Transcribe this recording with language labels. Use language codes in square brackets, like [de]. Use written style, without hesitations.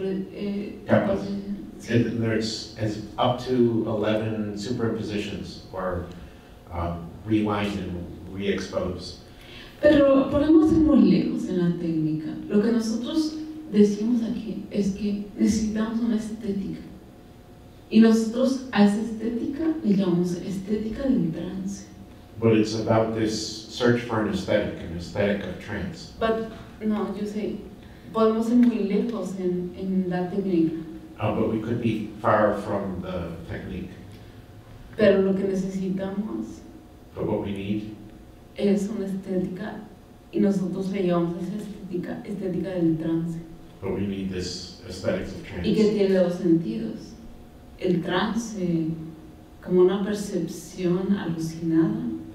[en] and there's as up to 11 superpositions or rewind and re-expose. [es] Pero podemos ir muy lejos en la técnica. Lo que nosotros decimos aquí es que necesitamos una estética. Y nosotros a esa estética le llamamos estética del trance. [en] But it's about this search for an aesthetic of trance. But no, you say, [es] podemos ir muy lejos en la técnica. [en] But we could be far from the technique. [es] Pero lo que necesitamos. [en] But what we need. [es] Es una estética, y nosotros le llamamos esa estética del trance. [en] But we need this aesthetic of trance. [es] Y que tiene dos sentidos, el trance como una percepción alucinada.